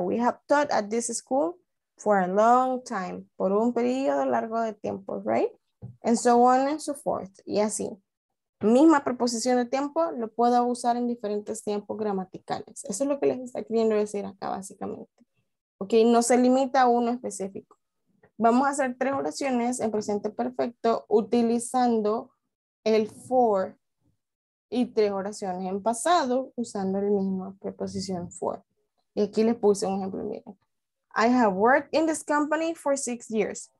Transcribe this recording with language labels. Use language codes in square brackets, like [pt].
[en] We have taught at this school for a long time. [es] Por un periodo largo de tiempo, right? [en] And so on and so forth. [es] Y así. Misma preposición de tiempo lo puedo usar en diferentes tiempos gramaticales. Eso es lo que les está queriendo decir acá, básicamente. Ok, no se limita a uno específico. Vamos a hacer 3 oraciones en presente perfecto utilizando el for y 3 oraciones en pasado usando la misma preposición for. Y aquí les puse un ejemplo, miren. [en] I have worked in this company for 6 years.